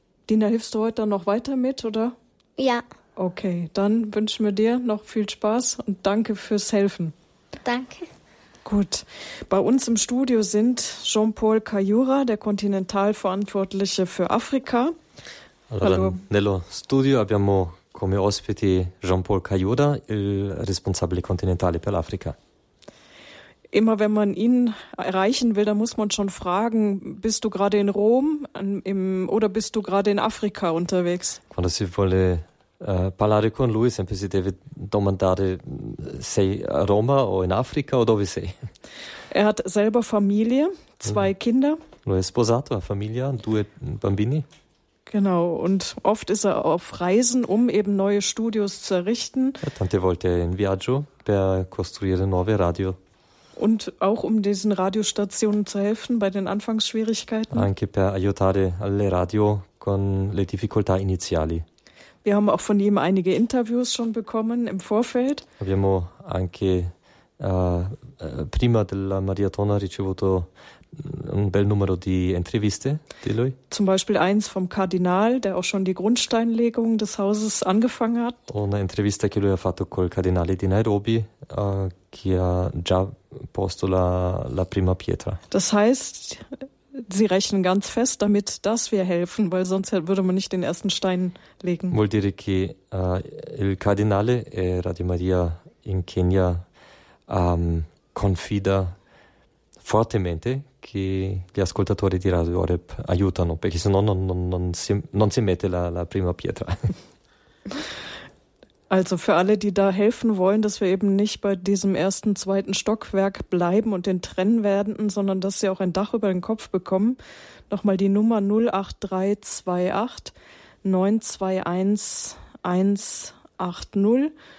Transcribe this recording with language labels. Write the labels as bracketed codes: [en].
[de] Dina, hilfst du heute dann noch weiter mit, oder? Ja. Okay, dann wünschen wir dir noch viel Spaß und danke fürs Helfen. Danke. Gut, bei uns im Studio sind Jean-Paul Kayura, der Kontinentalverantwortliche für Afrika. [it] Allora, hallo. Nello studio abbiamo come ospiti Jean-Paul Kayura, il responsabile continentale per l'Africa. [de] Immer wenn man ihn erreichen will, dann muss man schon fragen, bist du gerade in Rom oder bist du gerade in Afrika unterwegs? [it] Quando si vuole parlare con lui, sempre si deve domandare, sei a Roma o in Africa o dove sei? [de] Er hat selber Familie, zwei Kinder. [it] Lui è sposato, ha famiglia, due bambini. [de] Genau, und oft ist er auf Reisen, um eben neue Studios zu errichten. [it] Tante volte in viaggio per costruire nuove radio. [de] Und auch um diesen Radiostationen zu helfen bei den Anfangsschwierigkeiten. [it] Anche per aiutare alle radio con le difficoltà iniziali. [de] Wir haben auch von ihm einige Interviews schon bekommen im Vorfeld. [it] Abbiamo anche prima della maratona ricevuto un bel numero di interviste di lui. [de] Zum Beispiel eins vom Kardinal, der auch schon die Grundsteinlegung des Hauses angefangen hat. [it] Una intervista che lui ha fatto col Cardinale di Nairobi, che ha già posto la prima pietra. [de] Das heißt, sie rechnen ganz fest damit, dass wir helfen, weil sonst würde man nicht den ersten Stein legen. [it] Vuol dire che il Cardinale e Radio Maria in Kenya confida fortemente che gli ascoltatori di Radio Oreb aiutano, perché se no non si mette la prima pietra. [de] Also für alle, die da helfen wollen, dass wir eben nicht bei diesem ersten, zweiten Stockwerk bleiben und den trennen werden, sondern dass sie auch ein Dach über den Kopf bekommen, nochmal die Nummer 08328 921 180.